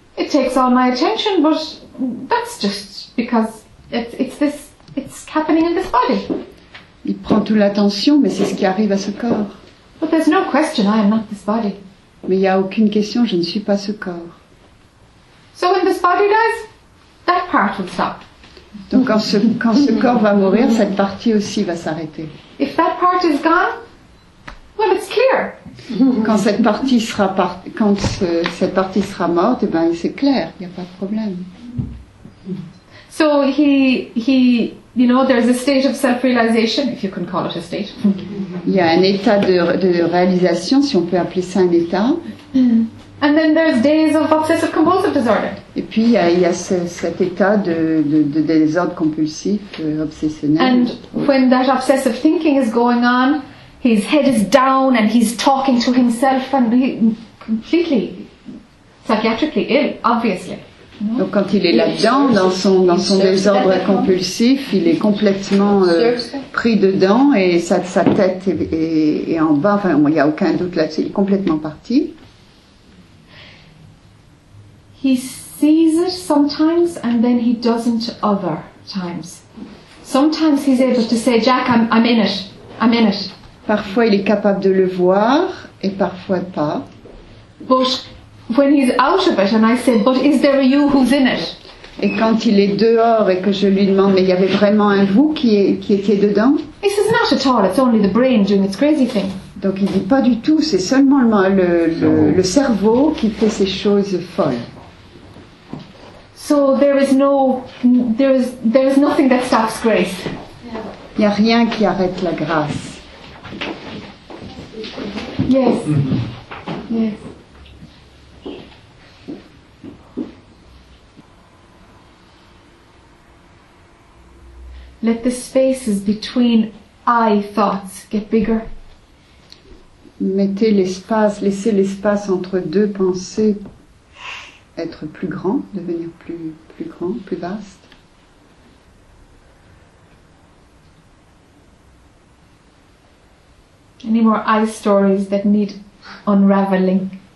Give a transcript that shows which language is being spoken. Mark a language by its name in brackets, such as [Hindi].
[English] It takes all my attention, but that's just because it's happening in this body. [French] Il prend toute l'attention, mais c'est ce qui arrive à ce corps. [English] But there's no question, I am not this body. [French] Mais il n'y a aucune question, je ne suis pas ce corps. [English] So when this body dies, that part will stop. [French] Donc quand ce corps va mourir, cette partie aussi va s'arrêter. [English] If that part is gone, well, it's clear. [French] Quand cette partie sera morte, eh ben c'est clair, il n'y a pas de problème. [English] So he, you know, there's a stage of self-realization, if you can call it a state. [French] Il y a un état de réalisation, si on peut appeler ça un état. [English] And then there's days of obsessive compulsive disorder. [French] Et puis il y a cet état de désordre compulsif obsessionnel. [English] And when that obsessive thinking is going on, his head is down and he's talking to himself and completely psychiatrically ill, obviously. [French] Donc quand il est là-dedans, dans son désordre compulsif, il est complètement pris dedans et sa tête est en bas. Enfin, il n'y a aucun doute là-dessus, il est complètement parti. [English] He sees it sometimes and then he doesn't other times. Sometimes he's able to say, Jack, I'm in it, I'm in it. [French] Parfois il est capable de le voir et parfois pas. [English] But when he's out of it and I say, but is there a you who's in it? [French] Et quand il est dehors et que je lui demande, mais il y avait vraiment un vous qui était dedans? [English] He says, not at all, it's only the brain doing its crazy thing. [French] Donc il dit pas du tout, c'est seulement le cerveau qui fait ces choses folles. [English] So there is nothing that stops grace. [French] Il n'y a rien qui arrête la grâce. [English] Yes. Mm-hmm. Yes. Let the spaces between I thoughts get bigger. [French] Mettez l'espace, laissez l'espace entre deux pensées être plus grand, devenir plus grand, plus vaste. [English] Any more I stories that need unraveling?